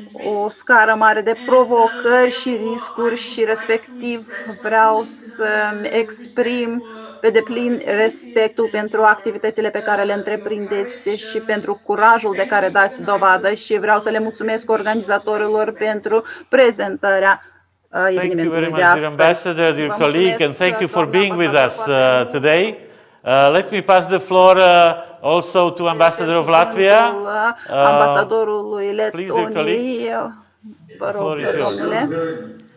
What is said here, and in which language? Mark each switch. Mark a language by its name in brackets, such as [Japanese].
[Romanian] o scară mare de provocări și riscuri și respectiv vreau să exprim pe deplin respectul pentru activitățile pe care le întreprindeți și pentru curajul de care dați dovadă și vreau să le mulțumesc organizatorilor pentru prezentarea evenimentului de astăzi. [English] Ambassador, your colleague, and thank you for being with us today. Let me pass the floor also to Ambassador of Latvia. [Romanian] Ambasadorului Letoniei.